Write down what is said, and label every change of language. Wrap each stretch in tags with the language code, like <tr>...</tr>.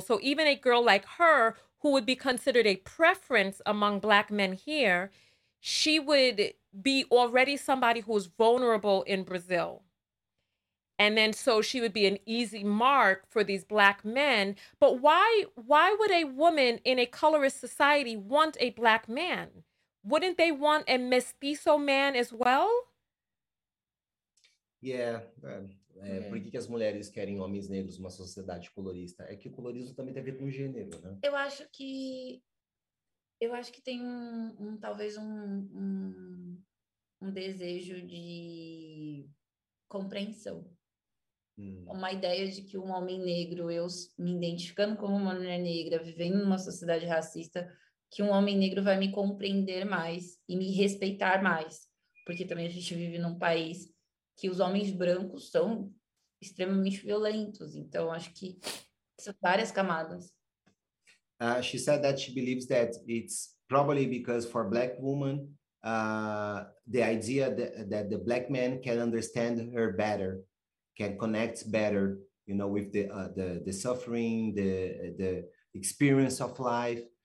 <en>So even a girl like her, who would be considered a preference among Black men here, she would be already somebody who is vulnerable in Brazil. And then so she would be an easy mark for these Black men. But why would a woman in a colorist society want a Black man? Wouldn't they want a mestizo man as well? Yeah.</en> <pt>Por que as mulheres querem homens negros numa sociedade colorista? É que o colorismo também tem a ver com o gênero, né? Eu acho que tem um desejo de compreensão. Uma ideia de que um homem negro, eu me identificando como uma mulher negra, vivendo numa sociedade racista, que um homem negro vai me compreender mais e me respeitar mais. Porque também a gente vive num país que os homens brancos são extremamente violentos. Então, acho que são várias camadas.</pt> <en>She said that she believes that it's probably because for Black women, the idea that the Black man can understand her better, can connect better, you know, with the suffering, the experience of life.</en>